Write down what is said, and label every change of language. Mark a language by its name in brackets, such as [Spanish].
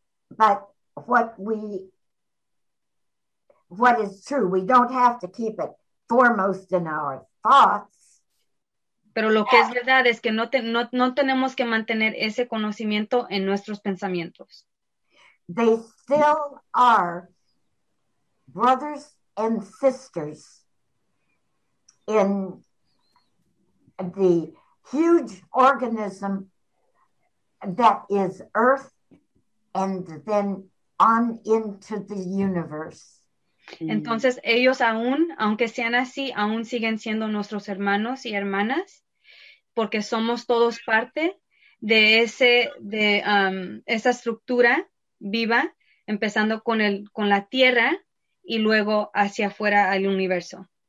[English] But what is true, we don't have to keep it foremost in our thoughts. [Spanish] Pero lo que es verdad es que no tenemos que mantener ese conocimiento en nuestros pensamientos. [English] They still are brothers and sisters in the huge organism that is Earth, and then on into the universe. [Spanish] Entonces ellos aún, aunque sean así, aún siguen siendo nuestros hermanos y hermanas, porque somos todos parte de esa estructura viva, empezando con la tierra y luego hacia afuera al universo.